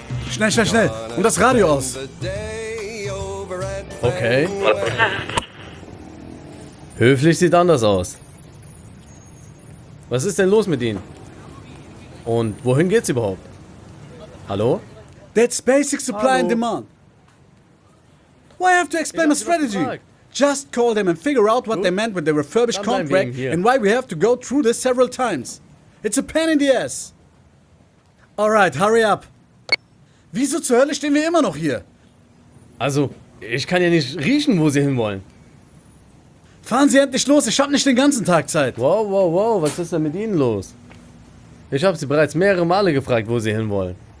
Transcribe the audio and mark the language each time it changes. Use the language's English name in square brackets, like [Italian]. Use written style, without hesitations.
[German] Schnell, schnell, schnell. Und das Radio aus. Okay. Höflich sieht anders aus. Was ist denn los mit Ihnen? Und wohin geht's überhaupt? Hallo? [English] That's basic supply and demand. Why have to explain a strategy? Just call them and figure out what they meant with the refurbished contract and why we have to go through this several times. It's a pain in the ass. All right, hurry up. [German] Wieso zur Hölle stehen wir immer noch hier? Also, ich kann ja nicht riechen, wo Sie hinwollen. Fahren Sie endlich los, ich hab nicht den ganzen Tag Zeit. Wow, was ist denn mit Ihnen los? Ich habe Sie bereits mehrere Male gefragt, wo Sie hinwollen.